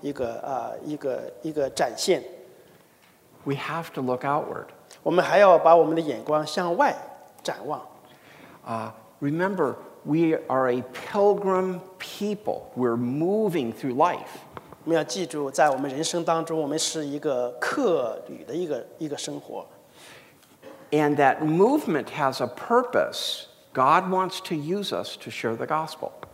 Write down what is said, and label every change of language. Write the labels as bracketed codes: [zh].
[zh] 但是我们作为神的一个宫殿,我们不能够向内,仅仅的向内聚集,我们同时还要更向外的一个展现。 [en] We have to look outward. [zh] 我们还要把我们的眼光向外展望。 [en] Remember, we are a pilgrim people. We're moving through life. [zh] 我们要记住,在我们人生当中,我们是一个客旅的一个生活。 [en] And that movement has a purpose. God wants to use us to share the gospel.